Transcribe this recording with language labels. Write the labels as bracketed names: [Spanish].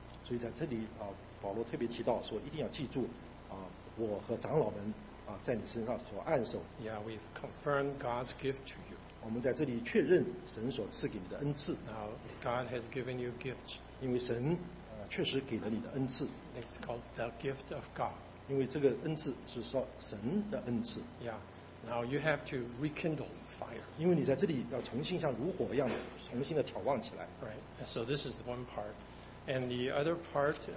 [Chinese] 所以在这里保罗特别提到说一定要记住我和长老们在你身上所按手。 [English] Yeah, we've confirmed God's gift to you. [Chinese] 我们在这里确认神所赐给你的恩赐。 [English] Now, God has given you gifts. [Chinese] 因为神确实给了你的恩赐。 [English] It's called the gift of God. [Chinese] 因为这个恩赐是说神的恩赐。 Yeah. [English] Now you have to rekindle fire. [Chinese] 因为你在这里要重新像炉火一样的重新的眺望起来。 Right. [English] So this is one part, and the other part.